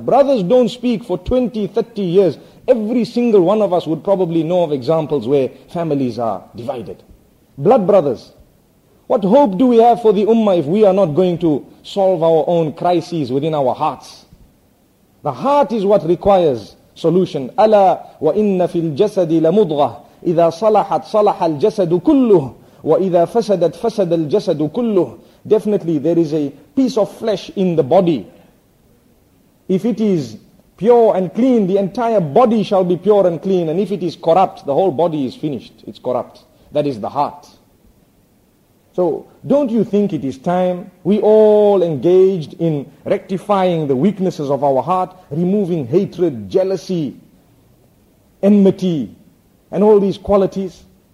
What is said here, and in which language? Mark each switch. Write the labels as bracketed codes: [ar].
[en] Brothers don't speak for 20, 30 years. Every single one of us would probably know of examples where families are divided. Blood brothers. What hope do we have for the ummah if we are not going to solve our own crises within our hearts? The heart is what requires solution. [ar] Ala wa inna fil jasadi lamudghah. إذا صلحت صلح الجسد كله وإذا فسدت فسد الجسد كله. [en] Definitely there is a piece of flesh in the body. If it is pure and clean, the entire body shall be pure and clean. And if it is corrupt, the whole body is finished. It's corrupt. That is the heart. So don't you think it is time we all engaged in rectifying the weaknesses of our heart, removing hatred, jealousy, enmity, and all these qualities?